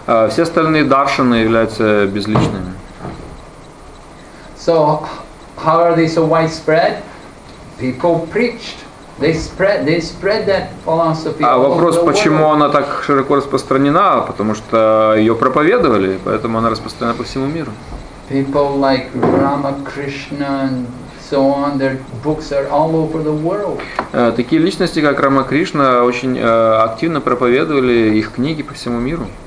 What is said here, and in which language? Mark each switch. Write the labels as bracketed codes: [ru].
[ru] Все остальные даршаны являются безличными. [en] So how are they so widespread? people preached. They spread that philosophy. [ru] А вопрос, почему она так широко распространена? Потому что ее проповедовали, поэтому она распространена по всему миру. [en] People like Ramakrishna and so on, their books are all over the world. [ru] Такие личности, как Рамакришна, очень активно проповедовали их книги по всему миру.